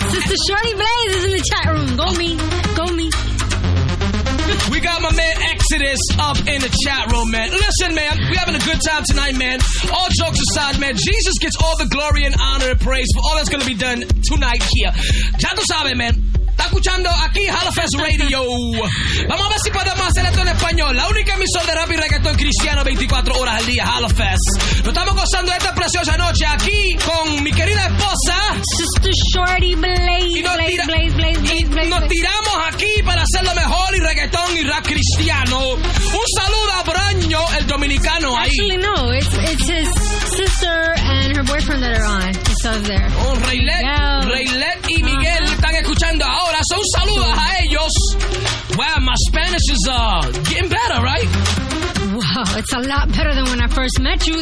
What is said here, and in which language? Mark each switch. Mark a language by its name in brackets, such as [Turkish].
[English] Sister Shorty Blaze is in the chat room. Go me. Go me. We got my man Exodus up in the chat room, man. Listen, man, we're having a good time tonight, man. All jokes aside, man, Jesus gets all the glory and honor and praise for all that's going to be done tonight here. [Spanish] Ya tú sabes, man. Está escuchando aquí Hollerfest Radio. Vamos a ver si podemos hacer esto en español. La única emisora de rap y reggaeton cristiano 24 horas al día, Hollerfest. Nos estamos gozando esta preciosa noche aquí con mi querida esposa. Sister Shorty Blaze. Y nos tiramos aquí para hacer lo mejor y reggaeton y rap cristiano. Un saludo a Braño, el dominicano ahí. [English] Actually, no. It's his sister and her boyfriend that are on. It's up there. [Spanish] Oh, Raylet y Miguel están escuchando ahora. [English] So, [Spanish] un saludo a ellos. [English] Wow, my Spanish is getting better, right? Wow, it's a lot better than when I first met you.